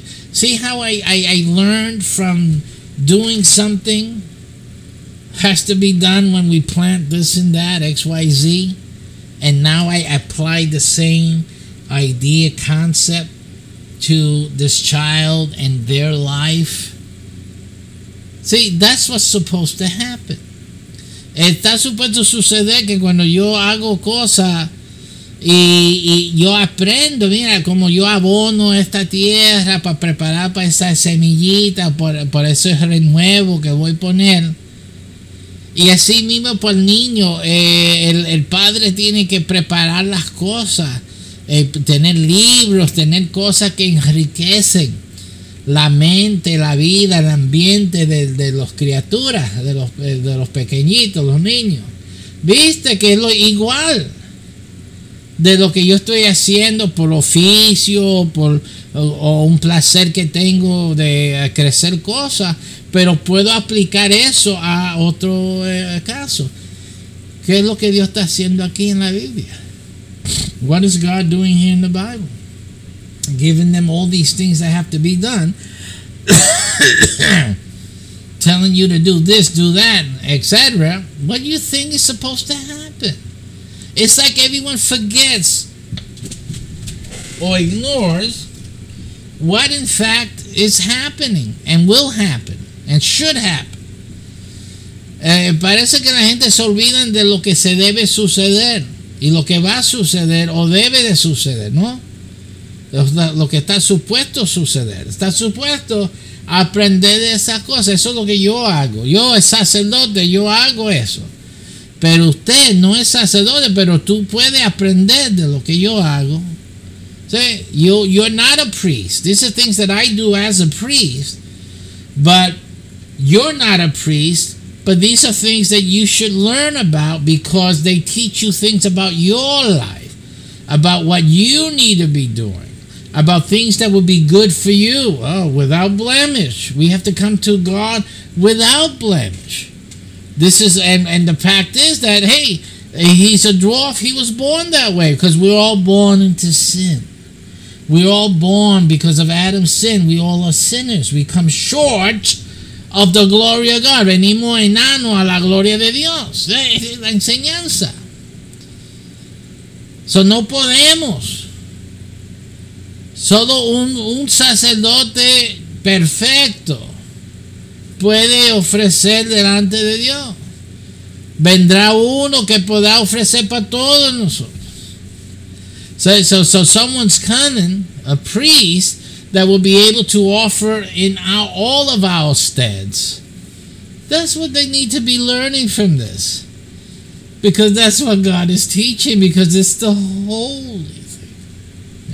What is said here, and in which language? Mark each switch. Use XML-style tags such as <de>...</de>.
<en>See how I learned from doing something has to be done when we plant this and that, X, Y, Z. And now I apply the same idea concept to this child and their life. See, that's what's supposed to happen.</en> <es>Está supuesto suceder que cuando yo hago cosas y yo aprendo, mira, como yo abono esta tierra para preparar para esa semillita, por ese renuevo que voy a poner. Y así mismo para el niño, el padre tiene que preparar las cosas, tener libros, tener cosas que enriquecen la mente, la vida, el ambiente de los criaturas, de los pequeñitos, los niños. Viste que es lo igual de lo que yo estoy haciendo por oficio o un placer que tengo de crecer cosas, pero puedo aplicar eso a otro caso. ¿Qué es lo que Dios está haciendo aquí en la Biblia?</es> <en>What is God doing here in the Bible? Giving them all these things that have to be done. Telling you to do this, do that, etc. What do you think is supposed to happen? It's like everyone forgets or ignores what in fact is happening and will happen and should happen.</en> <es>Parece que la gente se olvida de lo que se debe suceder y lo que va a suceder o debe de suceder, ¿no? Lo que está supuesto suceder. Está supuesto aprender de esas cosas. Eso es lo que yo hago. Yo, el sacerdote, yo hago eso. Pero usted no es sacerdote, pero tú puedes aprender de lo que yo hago.</es> <en>See, you're not a priest. These are things that I do as a priest. But you're not a priest. But these are things that you should learn about because they teach you things about your life, about what you need to be doing, about things that would be good for you. Oh, without blemish. We have to come to God without blemish. This is, and the fact is that, hey, he's a dwarf. He was born that way because we're all born into sin. We're all born because of Adam's sin. We all are sinners. We come short of the glory of God.</en> <es>Venimos enano a la gloria de Dios. La enseñanza. So no podemos. Solo un sacerdote perfecto puede ofrecer delante de Dios. Vendrá uno que podrá ofrecer para todos nosotros.</es> <en>So someone's coming, a priest, that will be able to offer in all of our steads. That's what they need to be learning from this. Because that's what God is teaching, because it's the holy thing.</en>